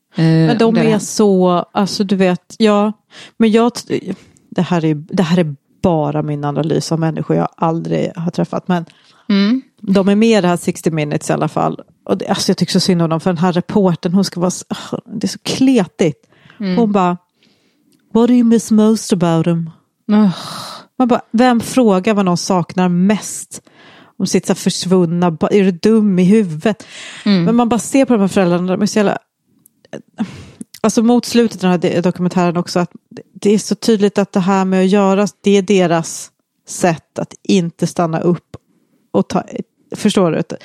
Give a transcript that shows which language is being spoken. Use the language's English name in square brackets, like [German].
[Swedish] Men de är så... Alltså du vet... Ja, men jag... Det här är bara min analys av människor jag aldrig har träffat. Men de är med i det här 60 Minutes i alla fall. Och det, alltså jag tycker så synd om dem. För den här reporten, hon ska vara... Det är så kletigt. Mm. Hon bara... [English] What do you miss most about him? [Swedish] Man bara, vem frågar vad någon saknar mest? Om sitt så försvunna... Är du dum i huvudet? Mm. Men man bara ser på de här föräldrarna. De är så jävla... Alltså mot slutet av den här dokumentären också, att det är så tydligt att det här med att göra, det är deras sätt att inte stanna upp och ta, förstår du?